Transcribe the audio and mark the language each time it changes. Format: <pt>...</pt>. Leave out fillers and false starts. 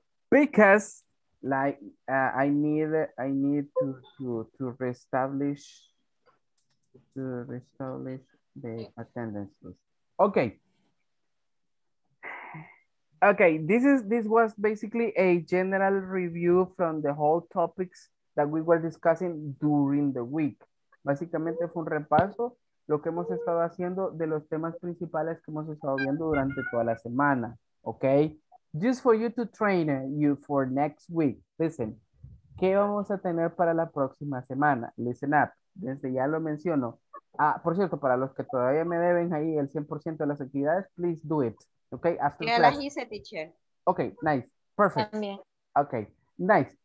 <en>Because like I need to reestablish the attendance list. Okay. Okay, this was basically a general review from the whole topics that we were discussing during the week.</en> <es>Básicamente fue un repaso lo que hemos estado haciendo de los temas principales que hemos estado viendo durante toda la semana, okay?</es> <en>Just for you to train you for next week.</en> <es>Listen, ¿qué vamos a tener para la próxima semana? Listen up, desde ya lo menciono. Ah, por cierto, para los que todavía me deben ahí el 100% de las actividades,</es> <en>please do it, okay? After class.</en> <es>Ya las hice, teacher.</es> <en>Okay, nice, perfect.</en> <es>También.</es> <en>Okay, nice.</en>